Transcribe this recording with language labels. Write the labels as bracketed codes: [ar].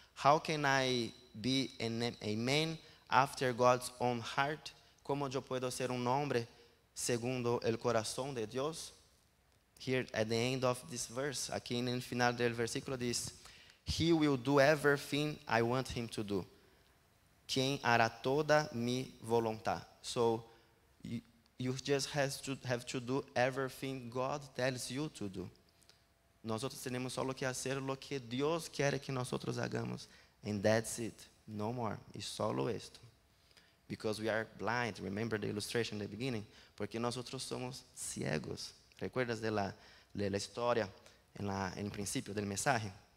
[en] How can I be a man after God's own heart? [es] ¿Cómo yo puedo ser un hombre segundo el corazón de Dios? [en] Here at the end of this verse, [es] aquí en el final del versículo dice, [en] he will do everything I want him to do. [es] Quien hará toda mi voluntad. [en] So you just have to do everything God tells you to do. [es] Nosotros tenemos solo que hacer lo que Dios quiere que nosotros hagamos. [en] And that's it. No more. [es] Es solo esto. [en] Because we are blind. Remember the illustration in the beginning? [es] Porque nosotros somos ciegos. ¿Recuerdas de la historia en el principio del mensaje?